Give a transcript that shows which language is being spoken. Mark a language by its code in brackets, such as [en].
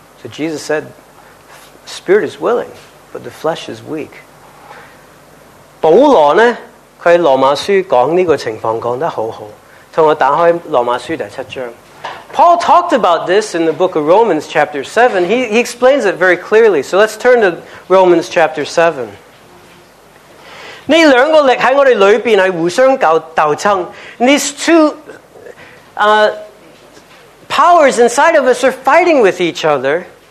[en] So Jesus said, spirit is willing, but the flesh is weak. [yue] 保罗呢，佢喺罗马书讲呢个情况讲得好好。同我打开罗马书第七章， [en] Paul talked about this in the book of Romans chapter 7. He explains it very clearly. So let's turn to Romans chapter 7. [yue] 呢两个力喺我哋里边系互相斗争。 [en] These two powers inside of us are fighting with each other.